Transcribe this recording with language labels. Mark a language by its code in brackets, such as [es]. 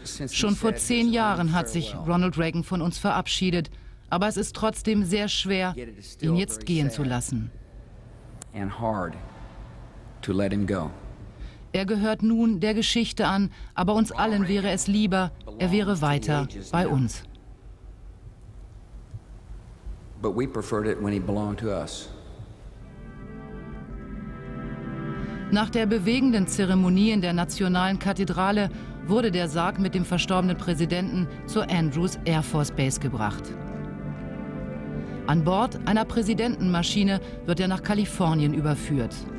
[de] Schon vor 10 Jahren hat sich Ronald Reagan von uns verabschiedet, aber es ist trotzdem sehr schwer, ihn jetzt gehen zu lassen. Er gehört nun der Geschichte an, aber uns allen wäre es lieber, er wäre weiter bei uns. [en] But we preferred it when he belonged to us. [de] Nach der bewegenden Zeremonie in der Nationalen Kathedrale wurde der Sarg mit dem verstorbenen Präsidenten zur Andrews Air Force Base gebracht. An Bord einer Präsidentenmaschine wird er nach Kalifornien überführt.